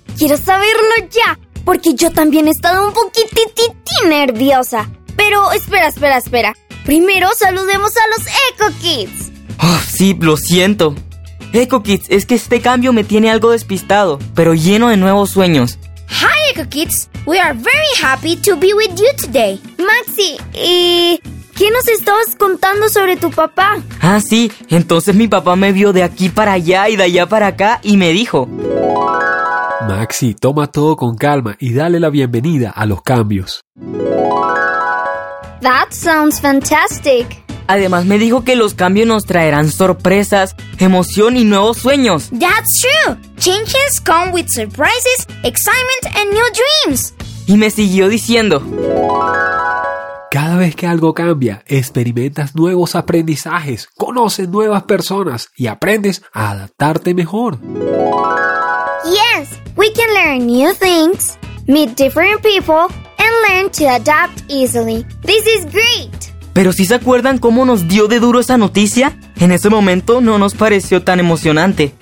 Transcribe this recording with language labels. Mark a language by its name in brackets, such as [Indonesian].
[Spanish] Quiero saberlo ya, porque yo también he estado un poquititití nerviosa. Pero espera. Primero saludemos a los Eco Kids. Sí, lo siento. Eco Kids, es que este cambio me tiene algo despistado, pero lleno de nuevos sueños. [English] Hi Eco Kids, we are very happy to be with you today. [Spanish] Maxi, ¿y qué nos estabas contando sobre tu papá? Ah, sí, entonces mi papá me vio de aquí para allá y de allá para acá y me dijo: Maxi, toma todo con calma y dale la bienvenida a los cambios. [English] That sounds fantastic. [Spanish] Además me dijo que los cambios nos traerán sorpresas, emoción y nuevos sueños. [English] That's true. Changes come with surprises, excitement and new dreams. [Spanish] Y me siguió diciendo: cada vez que algo cambia, experimentas nuevos aprendizajes, conoces nuevas personas y aprendes a adaptarte mejor. [English] Yes, we can learn new things, meet different people, and learn to adapt easily. This is great. [Spanish] ¿Pero sí se acuerdan cómo nos dio de duro esa noticia? En ese momento no nos pareció tan emocionante.